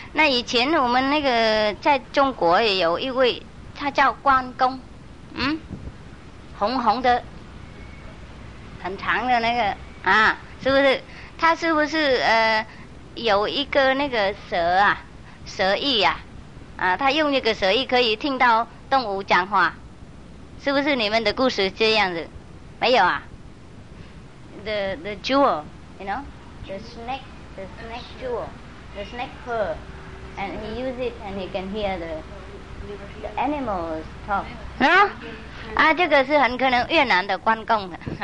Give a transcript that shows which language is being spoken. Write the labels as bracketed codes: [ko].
[zh] 那以前我们那个在中国也有一位，他叫关公，嗯，红红的，很长的那个啊，是不是？他是不是有一个那个蛇啊，蛇翼啊，啊，他用那个蛇翼可以听到动物讲话，是不是？你们的故事这样子，没有啊？ [en] The jewel, you know, the snake jewel, the snake pearl, and he use it and he can hear the animals talk. No, [zh] 啊，这个是很可能越南的关公的。